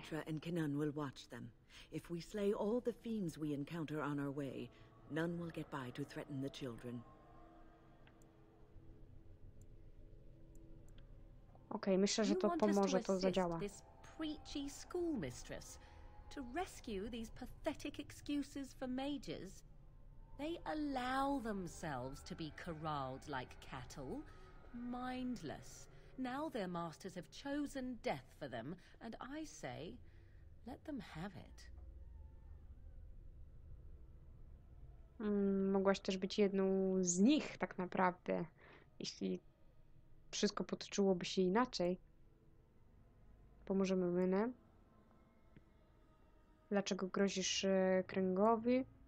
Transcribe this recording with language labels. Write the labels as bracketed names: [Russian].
[English] Petra and Kenan will watch them. If we slay all the fiends we encounter on our way, none will get by to threaten the children. [Polish] Okej, myślę, że to pomoże, to zadziała. [English] This preachy schoolmistress to rescue these pathetic excuses for mages. They allow themselves to be corralled like cattle, mindless, Now their masters have chosen death for them, and I say, let them have it. [Polish] Mogłaś też być jedną z nich, tak naprawdę, jeśli wszystko potoczyłoby się inaczej. Pomożemy Wynę. Dlaczego grozisz Kręgowi?